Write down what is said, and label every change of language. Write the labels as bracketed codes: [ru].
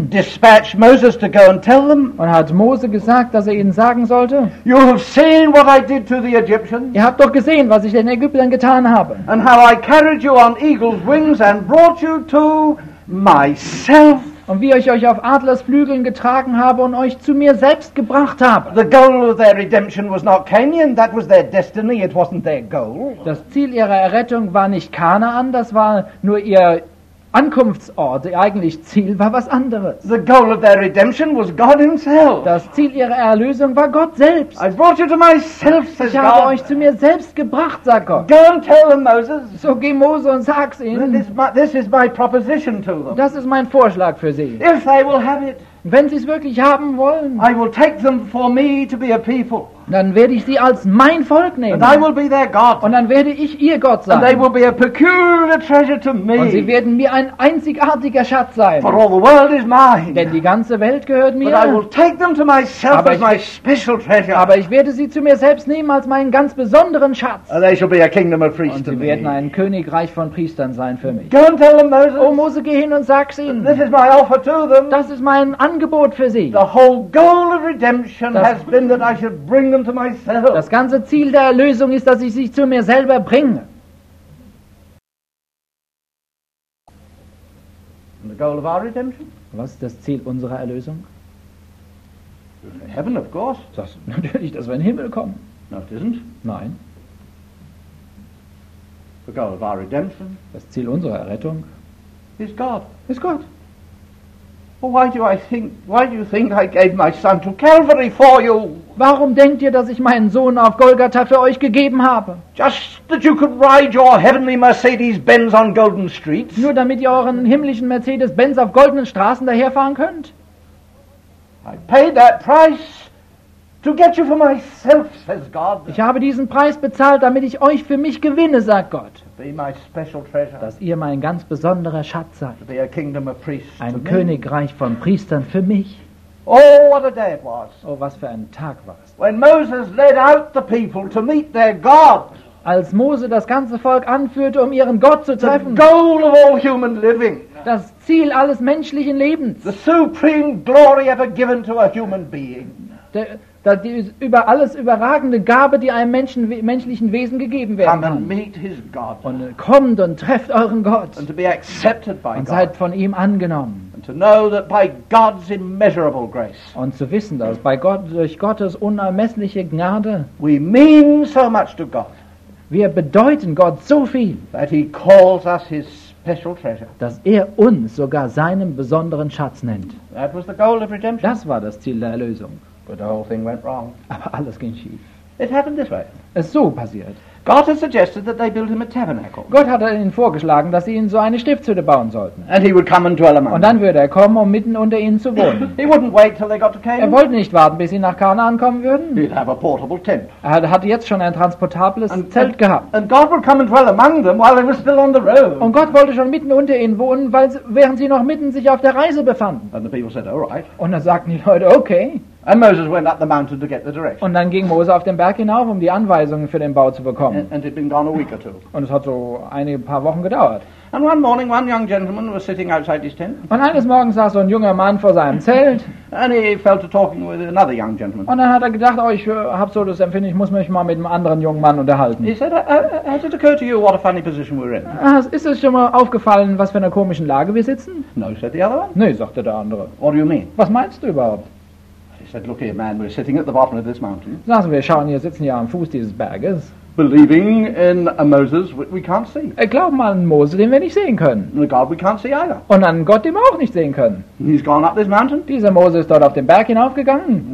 [en] And dispatched Moses to go and tell them. [de] Und hat Mose gesagt, dass er ihnen sagen sollte. [en] You have seen what I did to the Egyptians. [de] Ihr habt doch gesehen, was ich den Ägyptern getan habe. [en] And how I carried you on eagle's wings and brought you to myself. [de] Und wie ich euch auf Adlersflügeln getragen habe und euch zu mir selbst gebracht habe. [en] The goal of their redemption was not Canaan, that was their destiny, it wasn't their goal. [de] Das Ziel ihrer Errettung war nicht Kanaan, das war nur ihr Ankunftsort, ihr eigentliches Ziel war was anderes. [en] The goal of their redemption was God himself. [de] Das Ziel ihrer Erlösung war Gott selbst. [en] I brought you to myself, says [de] ich habe [en] God. [de] Euch zu mir selbst gebracht, sagt Gott. [en] Go and tell them, Moses. [de] So geh Mose und sag's ihnen. [en] This is my proposition to them. [de] Das ist mein Vorschlag für sie. [en] If they will have it. [de] Wenn sie es wirklich haben wollen, [en] I will take them for me to be a people. [de] Dann werde ich sie als mein Volk nehmen. [en] And I will be their God. [de] Und dann werde ich ihr Gott sein. [en] And they will be a peculiar treasure to me. [de] Und sie werden mir ein einzigartiger Schatz sein. [en] For all the world is mine. [de] Denn die ganze Welt gehört mir. [en] But I will take them to myself as my special treasure. [de] Aber ich werde sie zu mir selbst nehmen als meinen ganz besonderen Schatz. [en] And they shall be a kingdom of priests to me. [de] Und sie werden ein Königreich von Priestern sein für mich. [en] Go and tell them, Moses. [de] Oh, Mose, geh hin und sag's ihnen. [en] This is my offer to them. [de] Das ist mein Angebot für sie. [en] The whole goal of redemption has been that I should bring them to myself. [de] Das ganze Ziel der Erlösung ist, dass ich sie zu mir selber bringe. [en] And the goal of our redemption? [de] Was ist das Ziel unserer Erlösung? [en] Heaven, of course. [de] Das, natürlich, dass wir in den Himmel kommen. [en] No, it isn't. [de] Nein. [en] The goal of our redemption? [de] Das Ziel unserer Errettung? [en] Is God. Is God. Well, why do you think I gave my son to Calvary for you? [de] Warum denkt ihr, dass ich meinen Sohn auf Golgatha für euch gegeben habe? [en] Just that you could ride your heavenly Mercedes-Benz on golden streets. [de] Nur damit ihr euren himmlischen Mercedes-Benz auf goldenen Straßen daherfahren könnt. [en] I paid that price to get you for myself, says God. [de] Ich habe diesen Preis bezahlt, damit ich euch für mich gewinne, sagt Gott. [en] Be my special treasure. [de] Dass ihr mein ganz besonderer Schatz seid. [en] To be a kingdom of priests. [de] Ein Königreich von Priestern für mich. [en] Oh, what a day it was. [de] Oh, was für ein Tag war es. [en] When Moses led out the people to meet their God. [de] Als Mose das ganze Volk anführte, um ihren Gott zu treffen. [en] The goal of all human living. [de] Das Ziel alles menschlichen Lebens. [en] The supreme glory ever given to a human being. [de] die über alles überragende Gabe, die einem Menschen, menschlichen Wesen gegeben werden kann. [en] Come and meet his God. [de] Und kommt und trefft euren Gott. [en] And to be accepted by [de] und seid von ihm angenommen. [en] And to know that by God's immeasurable grace, [de] und zu wissen, dass bei Gott, durch Gottes unermessliche Gnade [en] we mean so much to God, [de] wir bedeuten Gott so viel, [en] that he calls us his special treasure, [de] dass er uns sogar seinen besonderen Schatz nennt. [en] That was the goal of redemption. [de] Das war das Ziel der Erlösung. [en] But the whole thing went wrong. [de] Aber alles ging schief. [en] It happened this way. [de] Es so passiert. [en] God had suggested that they build him a tabernacle. [de] Gott hatte ihnen vorgeschlagen, dass sie ihnen so eine Stiftshütte bauen sollten. [en] And he would come and dwell among [de] them. Und dann würde er kommen, um mitten unter ihnen zu wohnen. [en] He wouldn't wait till they got to Canaan. [de] Er wollte nicht warten, bis sie nach Kanaan kommen würden. [en] He'd have a portable tent. [de] Er hatte jetzt schon ein transportables Zelt gehabt. [en] And God would come and dwell among them while they were still on the road. [de] Und Gott wollte schon mitten unter ihnen wohnen, weil sie, während sie noch mitten sich auf der Reise befanden. [en] And the people said, all right. [de] Und dann sagten die Leute, okay. [en] And Moses went up the mountain to get the direction. [de] Und dann ging Mose auf den Berg hinauf, um die Anweisungen für den Bau zu bekommen. [en] And it'd been gone a week or two. [de] Und es hat so einige paar Wochen gedauert. [en] And one morning one young gentleman was sitting outside his tent. [de] Und eines Morgens saß so ein junger Mann vor seinem Zelt. [en] And he fell to talking with another young gentleman. [de] Und dann hat er gedacht, oh, ich habe so das Empfinden, ich muss mich mal mit einem anderen jungen Mann unterhalten. [en] He said, has it occurred to you what a funny position we're in? [de] Ist es schon mal aufgefallen, was für eine komischen Lage wir sitzen? [en] No, said the other one. [de] Nee, sagte der andere. [en] What do you mean? [de] Was meinst du überhaupt? [en] He said, look here, man, we're sitting at the bottom of this mountain. [de] Also, wir schauen hier, sitzen ja am Fuß dieses Berges. [en] Believing in a Moses we can't see. [de] Glauben an Mose, den wir nicht sehen können. [en] And a God we can't see either. [de] Und an Gott, den wir auch nicht sehen können. [en] He's gone up this mountain. [de] Dieser Mose ist dort auf den Berg hinaufgegangen.